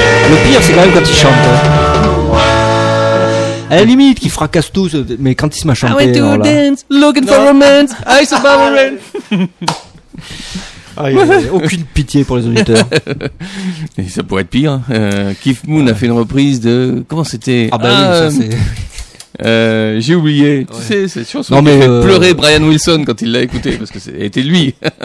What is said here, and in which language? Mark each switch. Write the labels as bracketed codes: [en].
[fr] Le pire, c'est quand même quand il chante. À la limite, qu'il fracasse tout, mais quand il se met à chanter. [en] I went to a dance, looking for romance, I saw my rain. [fr] Aucune pitié pour les auditeurs. Et ça pourrait être pire. Keith Moon a fait une reprise de. Comment c'était ? Ah bah oui, ça c'est. J'ai oublié. Tu sais, c'est sûr. Non mais pleurer Brian Wilson quand il l'a écouté parce que c'était lui.